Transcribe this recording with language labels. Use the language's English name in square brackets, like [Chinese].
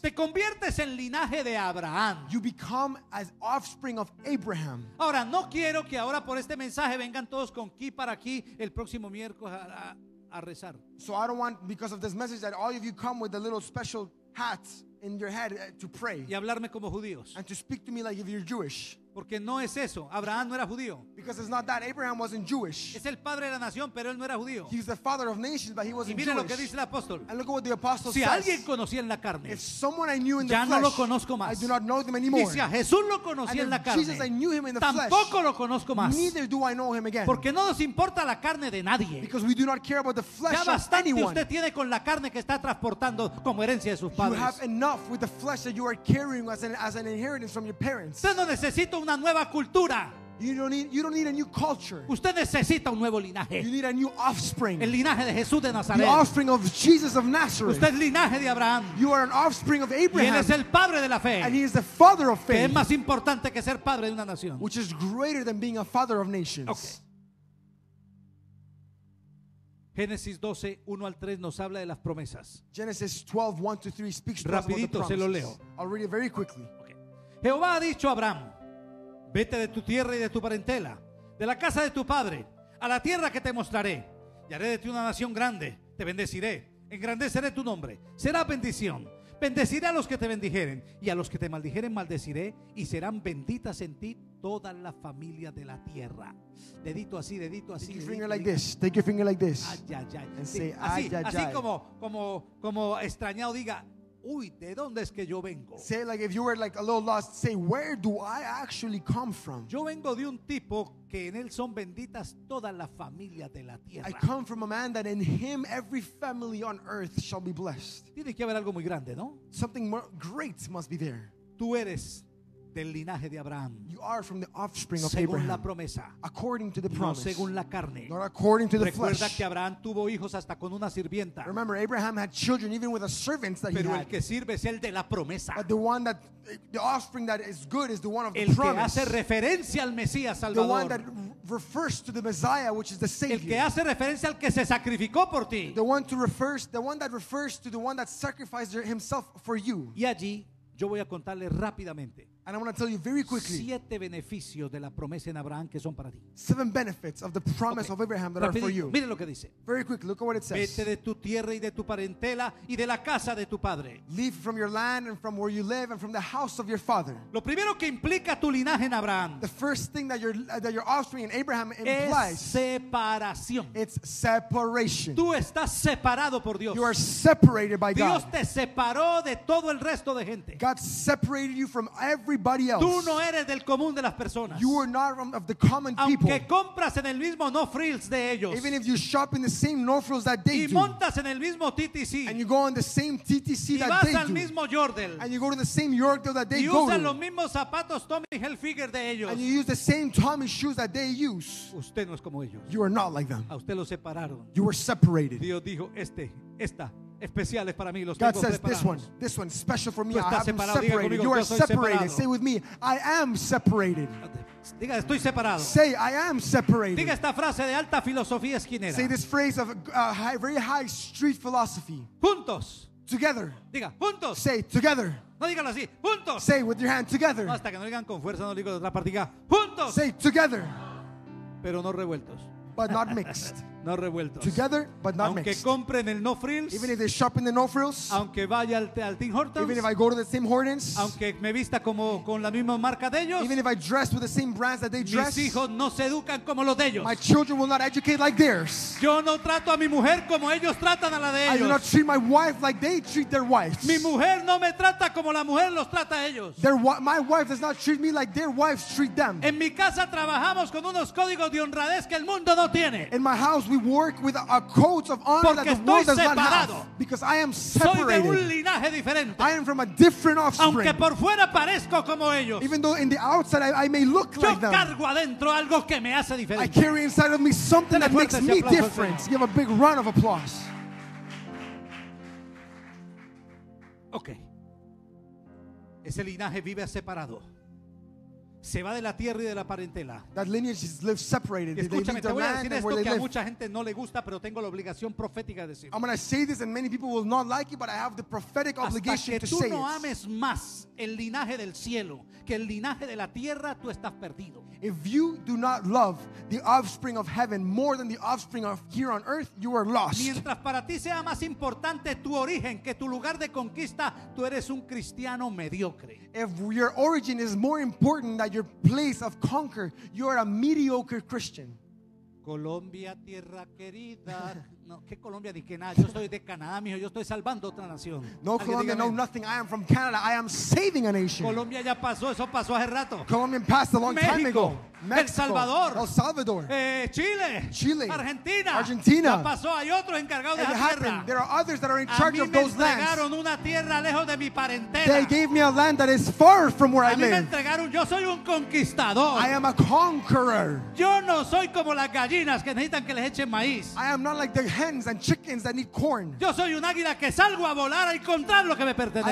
[Spanish] te conviertes en linaje de Abraham. [English] You become as offspring of Abraham. [Spanish] Ahora no quiero que ahora por este mensaje vengan todos con aquí para aquí el próximo miércoles a rezar. [English] So I don't want, because of this message, that all of you come with a little special hat in your head to pray. [Spanish] Y hablarme como judíos. [English] And to speak to me like if you're Jewish. [Spanish] Porque no es eso. Abraham no era judío. [English] Because it's not that. Abraham wasn't Jewish. [Spanish] Es el padre de la nación, pero él no era judío. [English] He's the father of nations, but he wasn't Jewish. [Spanish] Y mira lo que dice el apóstol. [English] And look at what the apostle [Spanish] si [English] says. [Spanish] Si alguien conocía en la carne, [English] if someone I knew in the [Spanish] ya [English] flesh, [Spanish] no lo conozco más. [English] I do not know them anymore. [Spanish] Y si a Jesús lo conocía en la carne, [English] Jesus, I knew him in the [Spanish] tampoco [English] flesh, [Spanish] lo conozco más. [English] Neither do I know him again. [Spanish] Porque no nos importa la carne de nadie. [English] Because we do not care about the flesh [Spanish] ya bastante [English] of anyone. [Spanish] Usted tiene con la carne que está transportando como herencia de sus padres. [English] You have enough with the flesh that you are carrying as an inheritance from your parents. [Spanish] Usted no necesita una nueva cultura. [English] You don't need a new culture. [Spanish] Usted necesita un nuevo linaje. [English] You need a new offspring. [Spanish] El linaje de Jesús de Nazaret. [English] The offspring of Jesus of Nazareth. [Spanish] Usted es linaje de Abraham. [English] You are an offspring of Abraham. [Spanish] Y él es el padre de la fe. [English] And he is the father of faith. [Spanish] Que es más importante que ser padre de una nación. [English] Which is greater than being a father of nations. Okay. [Spanish] Génesis 12, 1 al 3 nos habla de las promesas. [English] Genesis 12, 1 to 3 speaks to us. [Spanish] Rapidito se lo leo. [English] I'll read it very quickly. Okay. [Spanish] Jehová ha dicho a Abraham: vete de tu tierra y de tu parentela, de la casa de tu padre, a la tierra que te mostraré, y haré de ti una nación grande. Te bendeciré, engrandeceré tu nombre, será bendición. Bendeciré a los que te bendijeren, y a los que te maldijeren maldeciré, y serán benditas en ti toda la familia de la tierra. Dedito así, dedito así. [English] Take your finger like this. Take your finger like this. Ay, ay, ay. And say, ay, [Spanish] así, ay, ay, así como extrañado diga: uy, ¿de dónde es que yo vengo? [English] Say like if you were like a little lost, say where do I actually come from? [Spanish] Yo vengo de un tipo que en él son benditas todas las familias de la tierra. [English] I come from a man that in him every family on earth shall be blessed. [Spanish] Tiene que haber algo muy grande, ¿no? [English] Something more great must be there. [Spanish] Tú eres del linaje de Abraham. [English] You are from the offspring of [Spanish] según [English] Abraham. [Spanish] Según la promesa. [English] According to the [Spanish] no [English] promise. [Spanish] Según la carne. [English] Not according to the [Spanish] recuerda [English] flesh. [Spanish] Recuerda que Abraham tuvo hijos hasta con una sirvienta. [English] Remember, Abraham had children even with a servant that [Spanish] pero [English] he had. [Spanish] Pero el que sirve es el de la promesa. [English] But the one that the offspring that is good is the one of the [Spanish] el [English] promise. [Spanish] El que hace referencia al Mesías Salvador. [English] The one that refers to the Messiah, which is the Savior. [Spanish] El que hace referencia al que se sacrificó por ti. [English] The one that refers to the one that sacrificed himself for you. [Spanish] Y allí yo voy a contarle rápidamente. [English] And I want to tell you very quickly. [Spanish] 7 beneficios de la promesa en Abraham que son para ti. [English] 7 benefits of the promise of Abraham that [Spanish] rapidito, [English] are for you. [Spanish] Mire lo que dice. [English] Very quick, look at what it says. [Spanish] Vete de tu tierra y de tu parentela y de la casa de tu padre. [English] Leave from your land and from where you live and from the house of your father. [Spanish] Lo primero que implica tu linaje en Abraham. [English] The first thing that your offspring in Abraham implies. [Spanish] Es separación. [English] It's separation. [Spanish] Tú estás separado por Dios. [English] You are separated by [Spanish] Dios [English] God. [Spanish] Dios te separó de todo el resto de gente. [English] God separated you from every [Spanish] tú no eres del común de las personas. [English] You are not of the common [Spanish] aunque [English] people. [Spanish] Aunque compras en el mismo No Frills de ellos. [English] Even if you shop in the same No Frills that they [Spanish] y [English] do. [Spanish] Y montas en el mismo TTC. [English] And you go on the same TTC [Spanish] y [English] that [Spanish] vas [English] they [Spanish] al [English] do. [Spanish] Mismo Yordle. [English] And you go to the same Yordle that they go to. [Spanish] Y usas los mismos zapatos Tommy Hilfiger de ellos. [English] And you use the same Tommy shoes that they use. [Spanish] Usted no es como ellos. [English] You are not like them. [Spanish] A usted lo separaron. [English] You were separated. [Spanish] Dios dijo esta. Especiales para mí, los [English] God says [Spanish] preparados. [English] This one special for me. I have [Spanish] separado, [English] them separated [Spanish] conmigo, [English] you are separated [Spanish] separado. [English] Say with me, I am separated. [Spanish] Diga, estoy separado. [English] Say I am separated. [Spanish] Diga esta frase de alta filosofía esquinera. [English] Say this phrase of very high street philosophy. [Spanish] Juntos. [English] Together. [Spanish] Diga, juntos. [English] Say together. [Spanish] No díganlo así, juntos. [English] Say with your hand together. [Spanish] No, hasta que no digan con fuerza, no digo de otra parte. Diga, juntos. [English] Say together. [Spanish] Pero no revueltos. [English] But not mixed. [Spanish] No revueltos. [English] Together, but not [Spanish] aunque [English] mixed. [Spanish] Compren el No Frills. [English] Even if they shop in the No Frills. [Spanish] Aunque vaya al Tim Hortons. [English] Even if I go to the same Hortons. [Spanish] Aunque me vista como con la misma marca de ellos. [English] Even if I dress with the same brands that they [Spanish] mis [English] dress. [Spanish] Mis hijos no se educan como los de ellos. [English] My children will not educate like theirs. [Spanish] Yo no trato a mi mujer como ellos tratan a la de ellos. [English] I do not treat my wife like they treat their wives. [Spanish] Mi mujer no me trata como la mujer los trata a ellos. [English] My wife does not treat me like their wives treat them. [Spanish] En mi casa trabajamos con unos códigos de honradez que el mundo no tiene. [English] In my house we work with a code of honor [Spanish] porque [English] that the world does [Spanish] separado. [English] Not have because I am separated. [Spanish] Soy de un linaje diferente. [English] I am from a different offspring. [Spanish] Aunque por fuera parezco como ellos. [English] Even though in the outside I may look [Spanish] yo [English] like them [Spanish] cargo adentro algo que me hace diferente. I carry inside of me something that makes me different. [English] Give a big round of applause. [Spanish] Okay. Ese linaje vive separado. Se va de la tierra y de la parentela. [English] That lineage lives separated. [Spanish] Escúchame, te voy a decir esto que a mucha gente no le gusta, pero tengo la obligación profética de decirlo. [English] I'm going to say this and many people will not like it, but I have the prophetic obligation to say it. [Spanish] Hasta que tú no ames más el linaje del cielo que el linaje de la tierra, tú estás perdido. [English] If you do not love the offspring of heaven more than the offspring of here on earth, you are lost. [Spanish] Mientras para ti sea más importante tu origen que tu lugar de conquista, tú eres un cristiano mediocre. [English] If your origin is more important that your place of conquer, you are a mediocre Christian. [Spanish] Colombia, tierra querida. No, ¿qué Colombia? Ni que nada. Yo soy de Canadá, mijo. Yo estoy salvando otra nación. [English] No, Colombia, no, nothing. I am from Canada. I am saving a nation. [Spanish] Colombia ya pasó. Eso pasó hace rato. [English] Colombian passed a long [Spanish] México, [English] time ago. [Spanish] Mexico, El Salvador. Chile. Argentina. Ya pasó. Hay otros encargados de la tierra. [English] There are others that are in charge of those lands. [Spanish] A mí me entregaron una tierra lejos de mi parentela. [English] They gave me a land that is far from where [Spanish] a [English] I live. [Spanish] A mí me entregaron. Yo soy un conquistador. [English] I am a conqueror. [Spanish] Yo no soy como las gallinas que necesitan que les echen maíz. [English] I am not like the hens and chickens that need corn. [Spanish] Yo soy un águila que salgo a volar a encontrar lo que me pertenece.